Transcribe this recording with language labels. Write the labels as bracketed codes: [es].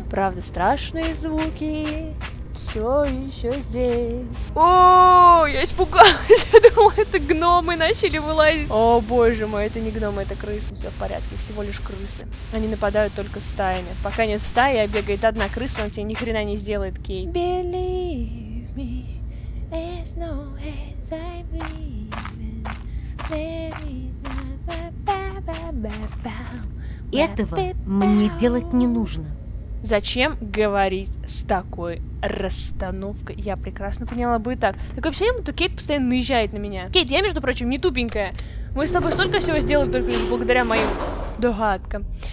[ru] Правда, страшные звуки. Все еще здесь. О, я испугалась. Я думала, это гномы начали вылазить. О, боже мой, это не гномы, это крысы. Все в порядке, всего лишь крысы. Они нападают только стаями. Пока нет стаи, а бегает одна крыса, она тебе ни хрена не сделает, Кейт. [en] Believe me, as long as I'm leaving, there is no ba-ba-ba-ba-bam. [ru] Этого мне делать не нужно. Зачем говорить с такой расстановкой? Я прекрасно поняла бы и так. Такое ощущение, что Кейт постоянно наезжает на меня. Кейт, я, между прочим, не тупенькая. Мы с тобой столько всего сделали только лишь благодаря моим догадкам.